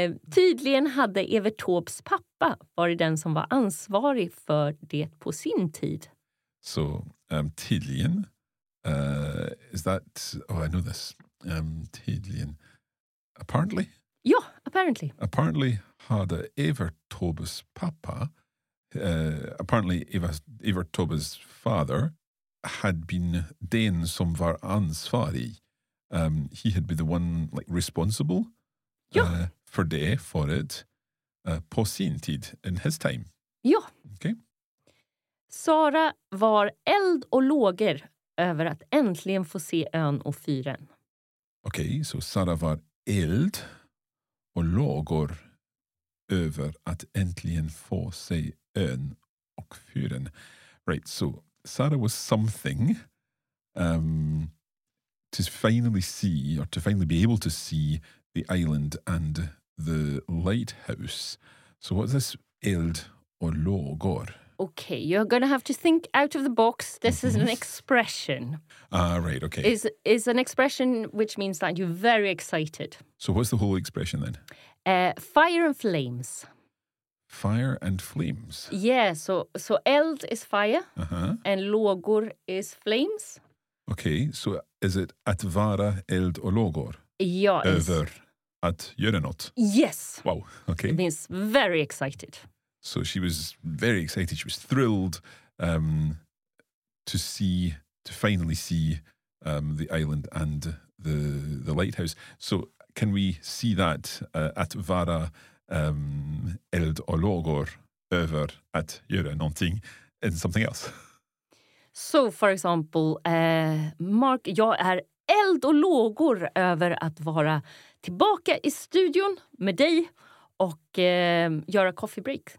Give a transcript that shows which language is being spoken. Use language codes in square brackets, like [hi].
[sv] Tydligen hade Evert Taubes pappa varit den som var ansvarig för det på sin tid. [en] So, tydligen, is that, oh, I know this, tydligen, apparently? [sv] Ja, apparently. Apparently hade Evert Taubes pappa, [en] Evert Taubes father had been [sv] den som var ansvarig. [en] He had been the one, like, responsible. [sv] Ja. [en] For det, for it, [sv] på sin tid, [en] in his time. [sv] Ja. [en] Okay. [sv] Sara var eld och lågor över att äntligen få se ön och fyren. Okej, okay, så Sara var eld och lågor över att äntligen få se ön och fyren. [en] Right, so Sara was something to finally see, or to finally be able to see the island and the lighthouse. So what's this eld or lågor? Okay, you're going to have to think out of the box. This is an expression. Ah, right, okay. Is an expression which means that you're very excited. So what's the whole expression then? Fire and flames. Fire and flames? Yeah, so eld is fire and lågor is flames. Okay, so is it [sv] att vara eld och lågor? Ja, över att göra något. [en] Yes. Wow. Okay. It means very excited. So she was very excited. She was thrilled to finally see the island and the lighthouse. So can we see that [sv] at vara eld och lågor över att göra någonting [en] in something else? So for example, [sv] Mark, jag är eld och lågor över att vara tillbaka i studion med dig och göra coffee break.